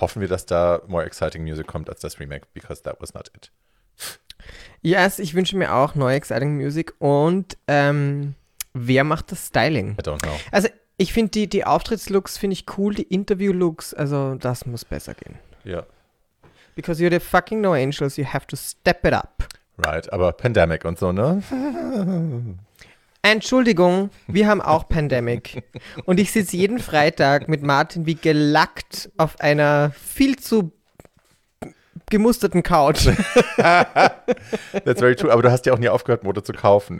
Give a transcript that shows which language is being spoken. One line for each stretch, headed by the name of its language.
German: Hoffen wir, dass da
English: more exciting music
German: kommt als das Remake,
English: because that was not it.
German: Yes, ich wünsche mir auch neue
English: exciting music
German: und wer macht das Styling?
English: I don't know.
German: Also ich finde die Auftrittslooks finde ich cool, die Interviewlooks, also das muss besser gehen. Ja.
English: Yeah. Because you're the fucking No Angels, you have to step it up.
German: Right, aber Pandemic und so, ne? Entschuldigung, wir haben auch Pandemic. Und ich sitze jeden Freitag mit Martin wie gelackt auf einer viel zu gemusterten Couch.
English: That's very true.
German: Aber du hast ja auch nie aufgehört, Mode zu kaufen.